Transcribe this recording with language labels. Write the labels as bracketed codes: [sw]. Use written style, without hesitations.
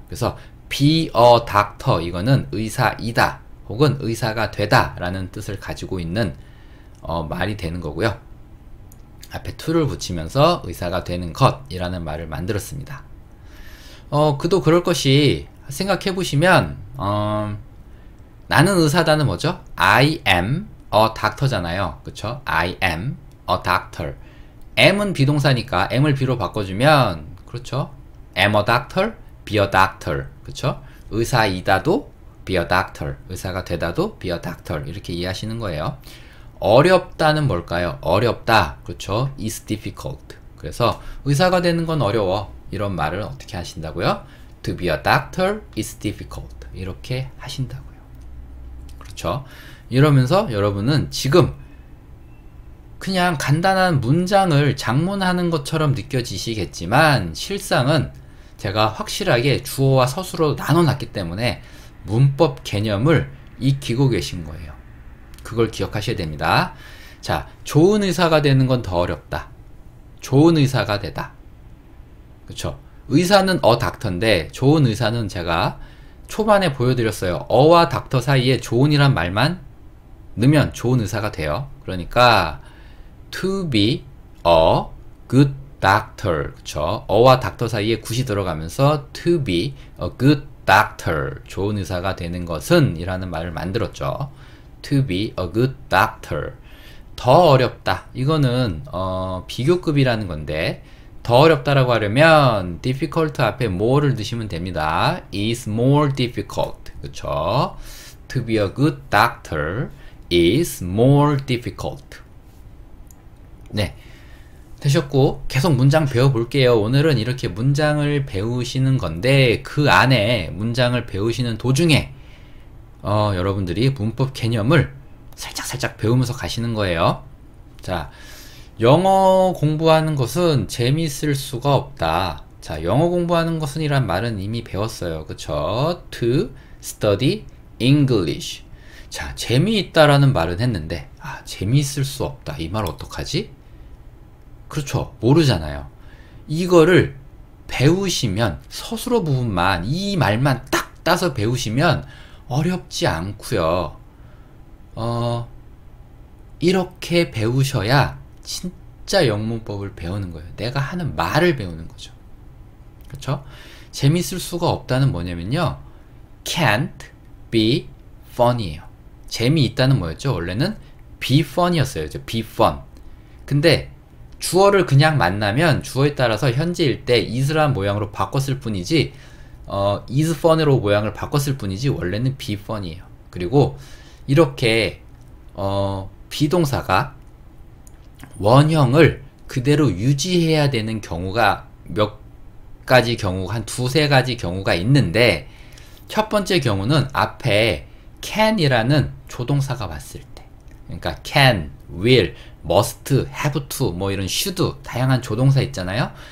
[ko] 그래서 [en] be a doctor, [ko] 이거는 의사이다 혹은 의사가 되다 라는 뜻을 가지고 있는 말이 되는 거고요. 앞에 to를 붙이면서 의사가 되는 것 이라는 말을 만들었습니다. 그도 그럴 것이 생각해 보시면 나는 의사다는 뭐죠? [en] I am a doctor잖아요. 그쵸? I am a doctor. [ko] am은 비동사니까 am을 be로 바꿔주면, 그렇죠? [en] am a doctor, be a doctor. 그쵸? [ko] 의사이다도 [en] be a doctor, [ko] 의사가 되다도 be a doctor, 이렇게 이해하시는 거예요. 어렵다는 뭘까요? 어렵다, 그렇죠? [en] is difficult. [ko] 그래서 의사가 되는 건 어려워, 이런 말을 어떻게 하신다고요? [en] to be a doctor is difficult, [ko] 이렇게 하신다고요. 그렇죠? 이러면서 여러분은 지금 그냥 간단한 문장을 작문하는 것처럼 느껴지시겠지만 실상은 제가 확실하게 주어와 서술어로 나눠놨기 때문에 문법 개념을 익히고 계신 거예요. 그걸 기억하셔야 됩니다. 자, 좋은 의사가 되는 건 더 어렵다. 좋은 의사가 되다. 그렇죠? 의사는 어 닥터인데 좋은 의사는 제가 초반에 보여드렸어요. 어와 닥터 사이에 좋은이란 말만 넣으면 좋은 의사가 돼요. [en] 그러니까 to be a good doctor. [ko] 그렇죠? 어와 닥터 사이에 굿이 들어가면서 [en] to be a good doctor, [ko] 좋은 의사가 되는 것은 이라는 말을 만들었죠. [en] to be a good doctor. [ko] 더 어렵다, 이거는 비교급이라는 건데 더 어렵다라고 하려면 difficult 앞에 [en] more [ko] 를 넣으시면 됩니다. [en] is more difficult. 그쵸? to be a good doctor is more difficult. 네, [ko] 되셨고, 계속 문장 배워볼게요. 오늘은 이렇게 문장을 배우시는 건데, 그 안에 문장을 배우시는 도중에, 여러분들이 문법 개념을 살짝살짝 배우면서 가시는 거예요. 자, 영어 공부하는 것은 재미있을 수가 없다. 자, 영어 공부하는 것은이란 말은 이미 배웠어요. [en] 그쵸? To study English. [ko] 자, 재미있다라는 말은 했는데, 아, 재미있을 수 없다. 이말 어떡하지? 그렇죠. 모르잖아요. 이거를 배우시면 서술어 부분만 이 말만 딱 따서 배우시면 어렵지 않고요. 이렇게 배우셔야 진짜 영문법을 배우는 거예요. 내가 하는 말을 배우는 거죠. 그렇죠? 재밌을 수가 없다는 뭐냐면요. [en] can't be funny예요. [ko] 재미있다는 뭐였죠? 원래는 [en] be fun [ko] 이었어요. 이제 be fun. 근데 주어를 그냥 만나면 주어에 따라서 현재일 때 is란 모양으로 바꿨을 뿐이지 [en] is fun [ko] 으로 모양을 바꿨을 뿐이지 원래는 be fun이에요. 그리고 이렇게 비동사가 원형을 그대로 유지해야 되는 경우가 몇 가지 경우, 한 두세 가지 경우가 있는데 첫 번째 경우는 앞에 can이라는 조동사가 왔을 때 그러니까 can, will, must, have to, 뭐 이런 should, 다양한 조동사 있잖아요.